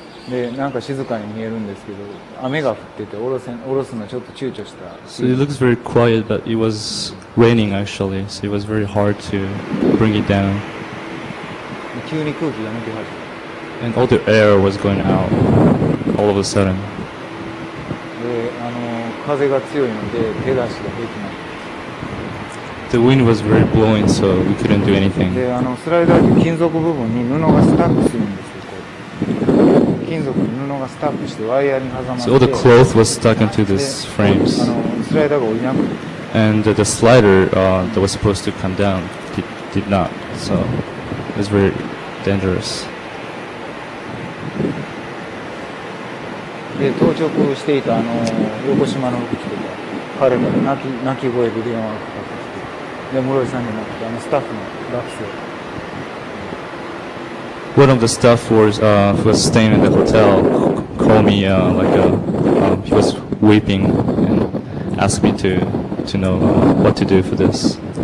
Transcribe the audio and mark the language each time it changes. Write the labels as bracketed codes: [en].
[ja] で、なんか静かに見えるんですけど、雨が降ってて下ろすのちょっと躊躇した。 [en] So it looks very quiet, but it was raining actually, so it was very hard to bring it down. [ja] 急に空気が抜け始めた。 [en] And all the air was going out all of a sudden. [ja] で、風が強いので手足ができない。 [en] The wind was very blowing, so we couldn't do anything. [ja] で、スライダーの金属部分に布がスタックするんですよ。金属に布がスタックしてワイヤーに挟まって。 [en] So all the cloth was stuck into these frames. [ja] スライダーが降りなくて。 [en] And the slider that was supposed to come down did not. So it was very dangerous. [ja] で、到着していた横島の彼も泣き声で電話がかかって。で、室井さんになって、スタッフの学生。 [en] One of the staff was staying in the hotel called me he was weeping and asked me to know what to do for this.